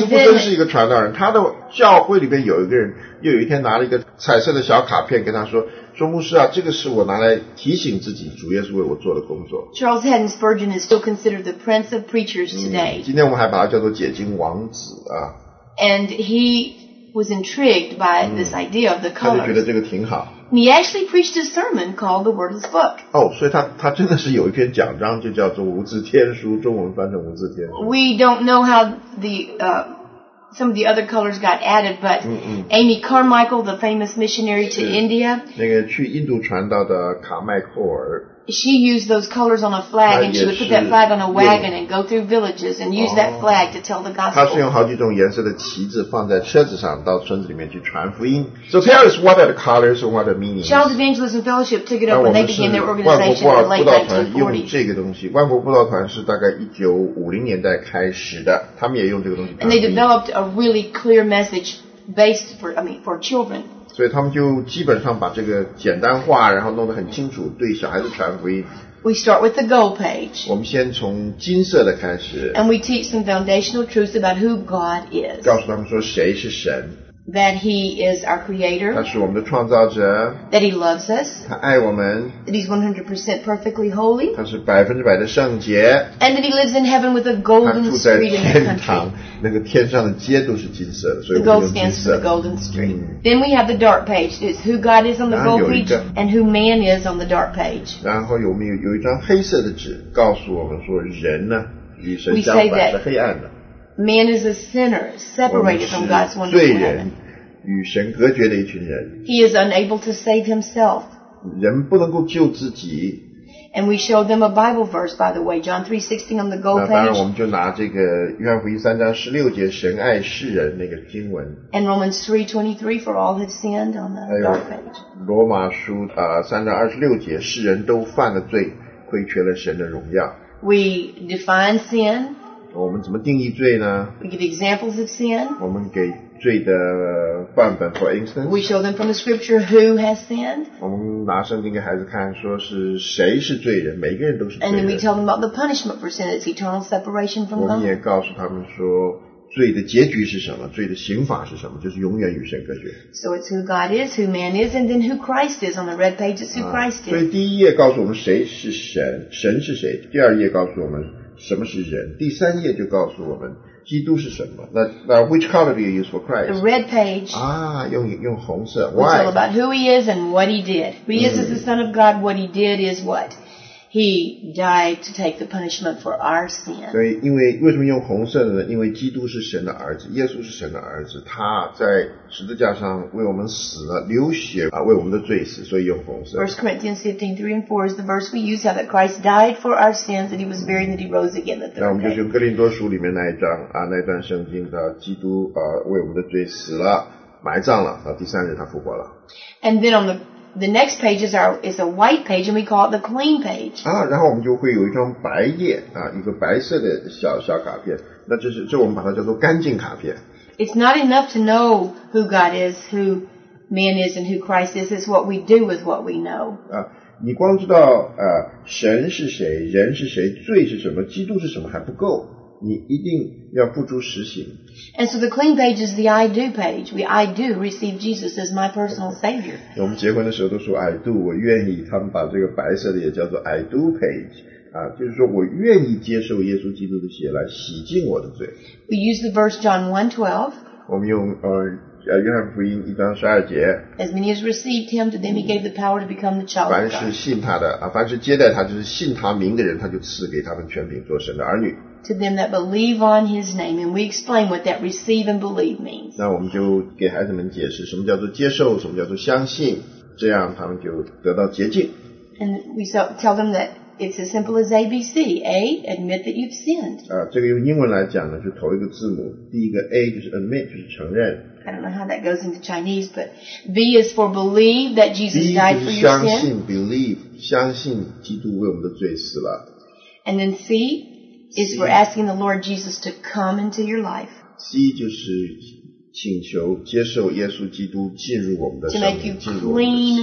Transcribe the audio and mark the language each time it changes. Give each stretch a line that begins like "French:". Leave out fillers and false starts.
Chinese: 斯布珍是一个传道人他的教会里面有一个人又有一天拿了一个彩色的小卡片跟他说说牧师啊这个是我拿来提醒自己主耶稣为我做的工作
English: Charles Haddon Spurgeon is still considered the prince of preachers today
Chinese: 今天我们还把他叫做解经王子啊
English: And he was intrigued by this idea of the colors
Chinese: 他就觉得这个挺好
English: He actually preached a sermon called the wordless book
Chinese: 哦所以他真的是有一篇讲章就叫做无字天书中文翻成无字天书
English: We don't know how the some of the other colors got added but Amy Carmichael the famous missionary to India
Chinese: 那个去印度传道的卡麦克尔
English: She used those colors on a flag and she would put that flag on a wagon and go through villages and use that flag to tell the gospel
Chinese: 她是用好几种颜色的旗子放在车子上到村子里面去传福音
English: So tell us what are the colors and what are the meanings Child Evangelism Fellowship took it up when they began their organization in the late 1940s
Chinese: 用这个东西万国布道团是大概1950年代开始的他们也用这个东西
English: And they developed a really clear message based for, I mean, for children
Chinese: 所以他们就基本上把这个简单化然后弄得很清楚对小孩子传福音
English: We start with the gold page
Chinese: 我们先从金色的开始
English: And we teach some foundational truths about who God is
Chinese: 告诉他们说谁是神
English: That he is our creator
Chinese: 他是我们的创造者
English: That he loves us
Chinese: 他爱我们
English: That he's 100% perfectly holy
Chinese: 他是百分之百的圣洁
English: And that he lives in heaven with a golden street in the country
Chinese: 他住在天堂那个天上的街都是金色的
English: The gold stands for the golden street Then we have the dark page. It's who God is on the gold page and who man is on the dark page.
Chinese: 然后我们有一张黑色的纸告诉我们说人呢与神相反是黑暗的。
English: Man is a sinner separated from God's wonderful heaven.
Chinese: 罪人与神隔绝的一群人。
English: He is unable to save himself.
Chinese: 人不能够救自己。
English: And we show them a Bible verse, by the way, John 3:16 on the goal page.
Chinese: 当然我们就拿这个约翰福音三章十六节神爱世人那个经文。
English: And Romans 3:23 for all have sinned on the goal page.
Chinese: 罗马书三章二十六节世人都犯了罪亏缺了神的荣耀。
English: We define sin.
Chinese: 我们怎么定义罪呢
English: ?We give examples of sin.
Chinese: 我们给罪的范本
English: for instance, we show them from the scripture who has sinned.
Chinese: 我们拿圣经给孩子看说是谁是罪人每个人都是罪人。
English: And then we tell them about the punishment for sin, it's eternal separation from God.
Chinese: 我们也告诉他们说罪的结局是什么罪的刑罚是什么就是永远与神隔绝。
English: So it's who God is, who man is, and then who Christ is. On the red page, it's who Christ is.
Chinese: 所以第一页告诉我们谁是神神是谁第二页告诉我们什么是人第三页就告诉我们基督是什么
English: now, which color do you use for Christ? The red page.
Chinese: 啊用红色
English: Why? It's all about who he is and what he did. Who he is as the son of God, what he did is what? He died to take the punishment for our sin.
Chinese: 所以因为为什么用红色的呢因为基督是神的儿子耶稣是神的儿子他在十字架上为我们死了流血为我们的罪死所以用红色。
English: 1 Corinthians 15:3 and 4 is the verse we use how that Christ died for our sins and he was buried and he rose again the third day.
Chinese: 那我们就用哥林多书里面那一章那一段圣经的基督为我们的罪死了埋葬了第三日他复活了。
English: And then on the next page is a white page and we call it the clean page.
Chinese: 啊然后我们就会有一张白页一个白色的小卡片那就是这我们把它叫做干净卡片。
English: It's not enough to know who God is, who man is, and who Christ is. It's what we do with what we know.
Chinese: 你光知道神是谁人是谁罪是什么基督是什么还不够。你一定要付诸实行。
English: And so the clean page is the I do page. I do receive Jesus as my personal savior.
Chinese: 我们结婚的时候都说
English: I do,
Chinese: 我愿意他们把这个白色的也叫做 I do page. 就是说我愿意接受耶稣基督的血来洗净我的罪。
English: We use the verse John 1:12.
Chinese: 我们用约翰福音一章十二节。
English: As many as received him, to them he gave the power to become the child of God.
Chinese: 凡是信他的凡是接待他就是信他名的人他就赐给他们权柄做神的儿女。
English: To them that believe on his name, and we explain what that receive and believe means.
Chinese: 那我们就给孩子们解释什么叫做接受，什么叫做相信，这样他们就得到洁净。
English: And we tell them that it's as simple as ABC. A, admit that you've sinned.
Chinese: 这个用英文来讲呢，就头一个字母，第一个 A 就是 admit， 就是承认。
English: I don't know how that goes into Chinese, but B is for believe that Jesus died for your sin.
Chinese: 相信 ，believe， 相信基督为我们的罪死了。
English: And then C. Is for asking the Lord Jesus to come into your life.
Chinese: C 就是请求接受耶稣基督进入我们的生命，进入我们的心。